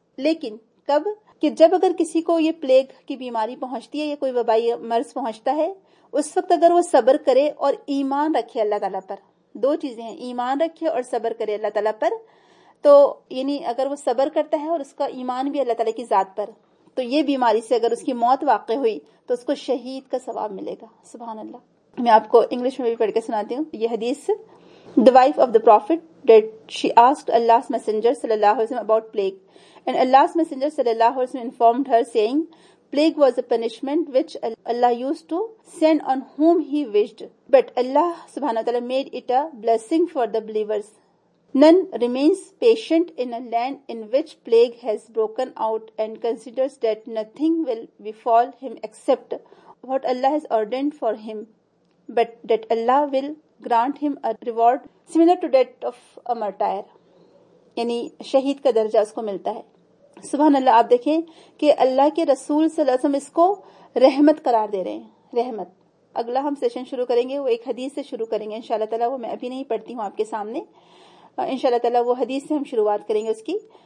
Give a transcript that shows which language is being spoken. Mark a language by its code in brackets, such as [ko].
[ur] لیکن کب؟ کہ جب اگر کسی کو یہ پلیگ کی بیماری پہنچتی ہے یا کوئی وبائی مرض پہنچتا ہے, اس وقت اگر وہ صبر کرے اور ایمان رکھے اللہ تعالیٰ پر, دو چیزیں ہیں, ایمان رکھے اور صبر کرے اللہ تعالیٰ پر, تو یعنی اگر وہ صبر کرتا ہے اور اس کا ایمان بھی اللہ تعالیٰ کی ذات پر, تو یہ بیماری سے اگر اس کی موت واقع ہوئی تو اس کو شہید کا ثواب ملے گا. سبحان اللہ. میں آپ کو انگلش میں بھی پڑھ کے سناتی ہوں یہ حدیث. [en] The wife of the Prophet that she asked Allah's Messenger [ar] صلی اللہ علیہ وسلم [en] about plague. And Allah's Messenger [ar] صلی اللہ علیہ وسلم [en] informed her saying, plague was a punishment which Allah used to send on whom he wished. But Allah [ar] سبحانہ وتعالی [en] made it a blessing for the believers. None remains patient in a land in which plague has broken out and considers that nothing will befall him except what Allah has ordained for him, but that Allah will grant him a reward similar to that of a martyr. [ur] یعنی شہید کا درجہ اس کو ملتا ہے. سبحان اللہ, آپ دیکھیں کہ اللہ کے رسول صلی اللہ علیہ وسلم اس کو رحمت قرار دے رہے ہیں, رحمت. اگلا ہم سیشن شروع کریں گے وہ ایک حدیث سے شروع کریں گے انشاءاللہ تعالی, وہ میں ابھی نہیں پڑھتی ہوں آپ کے سامنے, انشاءاللہ تعالی وہ حدیث سے ہم شروعات کریں گے اس کی.